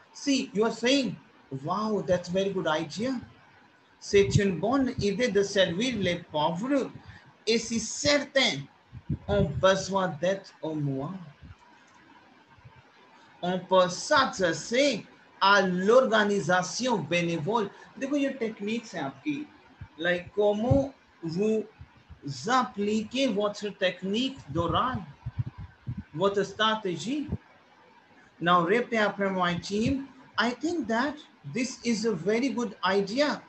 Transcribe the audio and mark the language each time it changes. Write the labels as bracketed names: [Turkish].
[English] See, you are saying, wow, that's a very good idea. [French] C'est une bonne idée de servir les pauvres. Et si certains ont besoin d'aide au moins, on peut s'adresser à l'organisation bénévole. Dégo, [English] your techniques [French] sont aapki. Like, comment vous appliquez votre technique d'oral, votre stratégie? Now, répétez après moi, team. [English] I think that this is a very good idea.